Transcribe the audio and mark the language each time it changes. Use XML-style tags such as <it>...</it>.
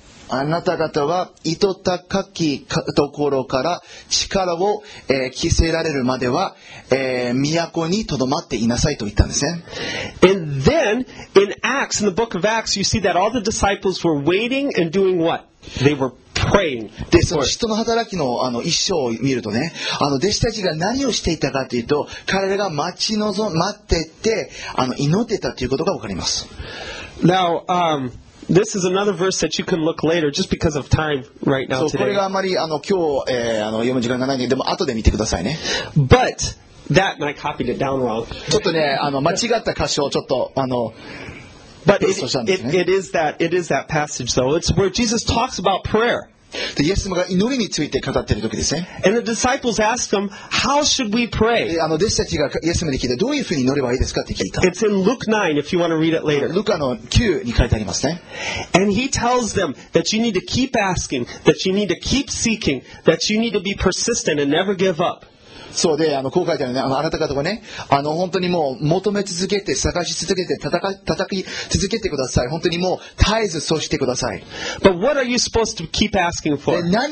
<ja>あなた方は糸高きところから力を、着せられるまでは、都にとどまっていなさいと言ったんですね。</ja> <en>And then, in Acts, in the book of Acts, you see that all the disciples were waiting and doing what? They were praying.</en> <ja>で、その使徒の働き の一章を見るとね、弟子たちが何をしていたかというと、彼らが待ってて、祈ってたということがわかります。</ja> <en>Now, This is another verse that you can look later, just because of time right now today.</en> <ja>これがあまり今日、読む時間がないので、でも後で見てくださいね。</ja> <en>But that, and I copied it down wrong.</en> <ja>ちょっとね、間違った箇所をちょっと But ペーストしたんですね。</ja> <en>It is that passage though. It's where Jesus talks about prayer.</en> <ja>で、イエス様が祈りについて語っている時ですね。</ja> <en>And the disciples asked him, how should we pray?</en> <ja>弟子たちがイエス様に聞いて、どういうふうに祈ればいいですかって聞いた。</ja> <en>It's in Luke 9, if you want to read it later.</en> <ja>ルカの9に書いてありますね。</ja> <en>And he tells them that you need to keep asking, that you need to keep seeking, that you need to be persistent and never give up.</en> <ja>そうで、こう書いてあるね。あなた方がね、本当にもう求め続けて、探し続けて、叩き続けてください。本当にもう絶えずそうしてください。</ja> <en>But what are you supposed to keep asking for?</en>